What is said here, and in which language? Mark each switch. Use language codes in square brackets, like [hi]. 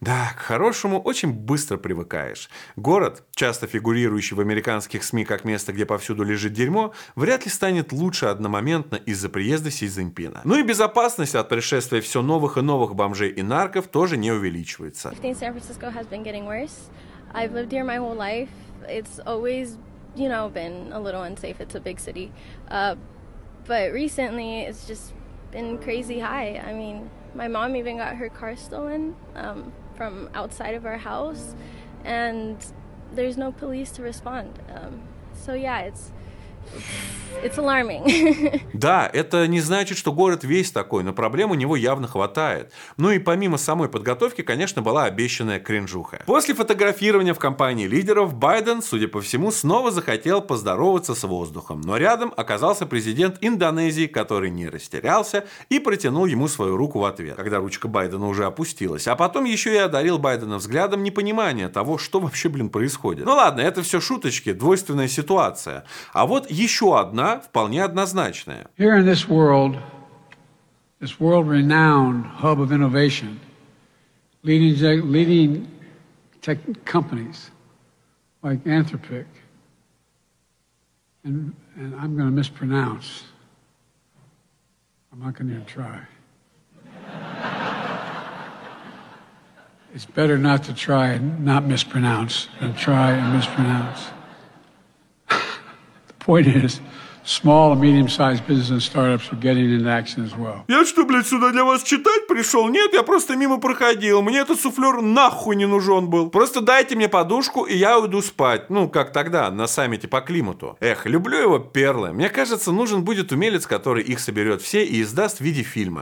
[ru] Да, к хорошему очень быстро привыкаешь. Город, часто фигурирующий в американских СМИ как место, где повсюду лежит дерьмо, вряд ли станет лучше одномоментно из-за приезда Си Цзиньпина. Ну и безопасность от пришествия все новых и новых бомжей и нарков тоже не увеличивается. [en] I think San Francisco has been getting worse. I've lived here my whole life. It's always, you know, been a little unsafe. It's a big city. But recently it's just been crazy high. I mean, my mom even got her car stolen from outside of our house, and there's no police to respond. It's alarming. [ru] Да, это не значит, что город весь такой, но проблем у него явно хватает. Ну и помимо самой подготовки, конечно, была обещанная кринжуха. После фотографирования в компании лидеров, Байден, судя по всему, снова захотел поздороваться с воздухом. Но рядом оказался президент Индонезии, который не растерялся и протянул ему свою руку в ответ, когда ручка Байдена уже опустилась. А потом еще и одарил Байдена взглядом непонимания того, что вообще, блин, происходит. Ну ладно, это все шуточки, двойственная ситуация. А вот еще одна, вполне однозначная. [en] Here in this world renowned hub of innovation, leading tech companies like Anthropic, and I'm going to mispronounce. I'm not going to even try. It's better not to try and not mispronounce than try and mispronounce. Point is, small and medium-sized business and startups are getting into action as well. [ru] Я что, блядь, сюда для вас читать пришел? Нет, я просто мимо проходил. Мне этот суфлер нахуй не нужен был. Просто дайте мне подушку, и я уйду спать. Ну, как тогда, на саммите по климату. Эх, люблю его перлы. Мне кажется, нужен будет умелец, который их соберет все и издаст в виде фильма.